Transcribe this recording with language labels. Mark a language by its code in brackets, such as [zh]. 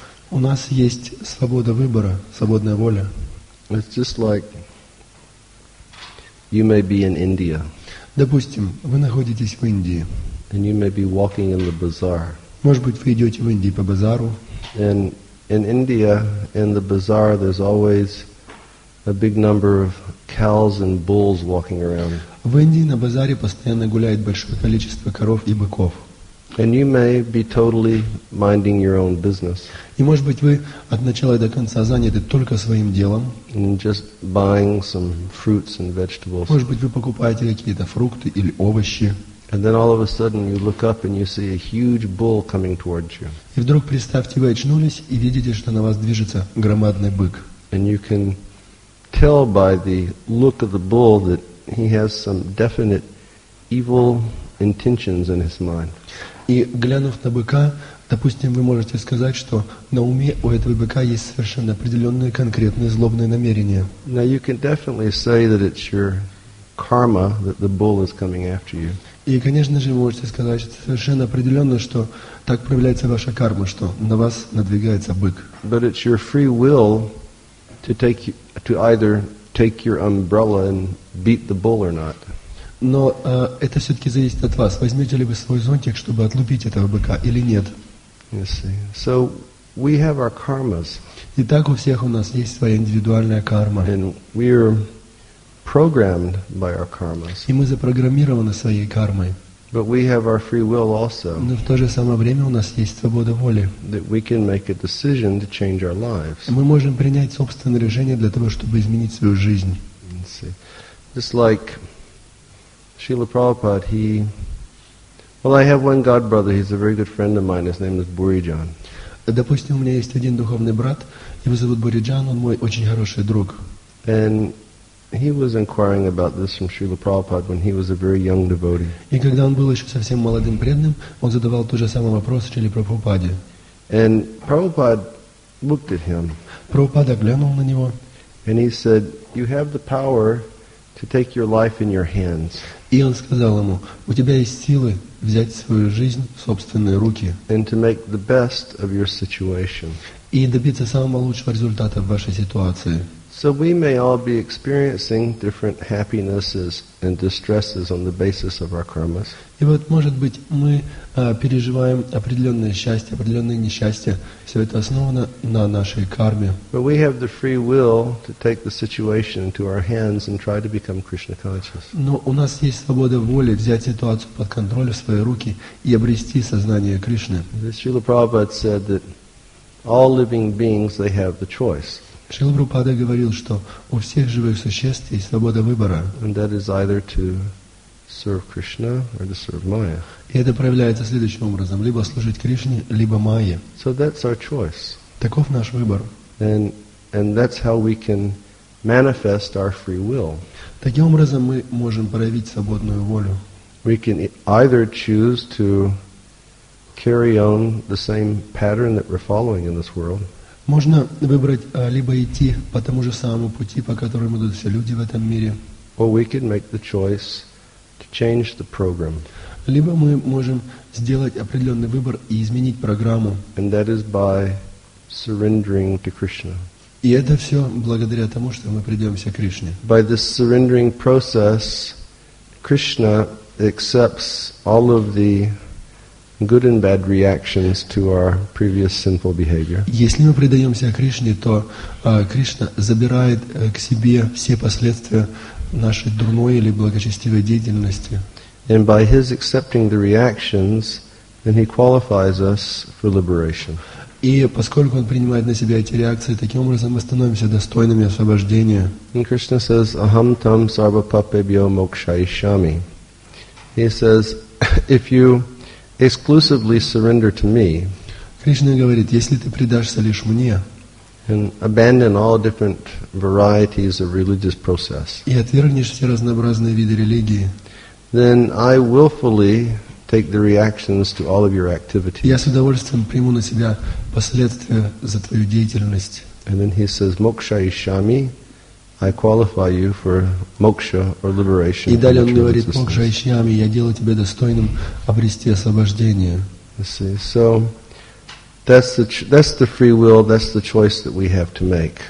[ru] У нас есть свобода выбора, свободная воля. [en] It's just like you may be in India. [ru] Допустим, вы находитесь в Индии. [en] And you may be walking in the bazaar. [ru] Может быть, вы идете в Индии по базару. [en] And in India, in the bazaar, there's always a big number of cows and bulls walking around. [ru] В Индии на базаре постоянно гуляет большое количество коров и быков. [en] And you may be totally minding your own business. [ru] И может быть вы от начала до конца заняты только своим делом. [en] And just buying some fruits and vegetables. [ru] Может быть вы покупаете какие-то фрукты или овощи. [en] And then all of a sudden you look up and you see a huge bull coming towards you. [ru] И вдруг представьте, вы очнулись и видите, что на вас движется громадный бык. [en] And you can tell by the look of the bull that he has some definite evil intentions in his mind. [ru] И глянув на быка, допустим, вы можете сказать, что на уме у этого быка есть совершенно определенные конкретные злобные намерения. [en] Now you can definitely say that it's your karma that the bull is coming after you. [ru] И, конечно же, вы можете сказать что совершенно определенно, что так проявляется ваша карма, что на вас надвигается бык. [en] But it's your free will to either take your umbrella and beat the bull or not. [ru] Но это все-таки зависит от вас. Возьмете ли вы свой зонтик, чтобы отлупить этого быка, или нет? [en] So we have our karmas. [ru] Итак, у всех у нас есть своя индивидуальная карма. [en] And we're programmed by our karmas. [ru] И мы запрограммированы своей кармой. [en] But we have our free will also. [ru] Но в то же самое время у нас есть свобода воли. [en] That we can make a decision to change our lives. [ru] Мы можем принять собственное решение для того, чтобы изменить свою жизнь. [en] Just like Srila Prabhupada, he... Well, I have one god brother, he's a very good friend of mine, his name is Бурриджан. [ru] Допустим, у меня есть один духовный брат, его зовут Бурриджан, он мой очень хороший друг. [en] And he was inquiring about this from Srila Prabhupada when he was a very young devotee. [ru] И когда он был еще совсем молодым преданным, он задавал тот же самый вопрос Шриле Прабхупаде. [en] And Prabhupada looked at him. [ru] Прабхупада глянул на него. [en] And he said, "You have the power to take your life in your hands." [ru] И он сказал ему, у тебя есть силы взять свою жизнь в собственные руки. [en] And to make the best of your situation. [ru] И добиться самого лучшего результата в вашей ситуации. [en] So we may all be experiencing different happinesses and distresses on the basis of our karmas. [ru] И вот, может быть, мы переживаем определенное счастье, определенное несчастье. Все это основано на нашей карме. [en] But we have the free will to take the situation into our hands and try to become Krishna conscious. [ru] Но у нас есть свобода воли взять ситуацию под контроль в свои руки и обрести сознание Кришны. [en] Srila Prabhupada said that all living beings, they have the choice. [ru] Шрила Прабхупада говорил, что у всех живых существ есть свобода выбора. [en] And that is either to serve Krishna or to serve Maya. [ru] И это проявляется следующим образом: либо служить Кришне, либо Майе. [en] So that's our choice. [ru] Таков наш выбор. [en] And that's how we can manifest our free will. [ru] Таким образом мы можем проявить свободную волю. [en] We can either choose to carry on the same pattern that we're following in this world. [ru] Можно выбрать либо идти по тому же самому пути, по которому идут все люди в этом мире. [en] Or we can make the choice to change the program. [ru] Либо мы можем сделать определенный выбор и изменить программу. [en] And that is by surrendering to Krishna. [ru] И это все благодаря тому, что мы предаемся Кришне. [en] By this surrendering process, Krishna accepts all of the good and bad reactions to our previous sinful behavior. [ru] Если мы предаемся Кришне, то Кришна забирает к себе все последствия нашей дурной или благочестивой деятельности. [en] And by his accepting the reactions, then he qualifies us for liberation. [ru] И поскольку он принимает на себя эти реакции, таким образом мы становимся достойными освобождения. [en] And Krishna says, [sa] "Aham tam sarva papebhyo mokshayishami." [en] He says, "If you exclusively surrender to me." [ru] Кришна говорит, если ты предашься лишь мне. [en] And abandon all different varieties of religious process. [ru] И отвергнешь все разнообразные виды религии. [en] Then I willfully take the reactions to all of your activities. [ru] Я с удовольствием приму на себя последствия за твою деятельность. [en] And then he says, [sa] "Moksha ishami, [en] I qualify you for moksha or liberation." [ru] И далее он говорит, [sa] "Moksha ishami, [ru] я делаю тебя достойным обрести освобождение." [en] So that's the free will, that's the choice that we have to make.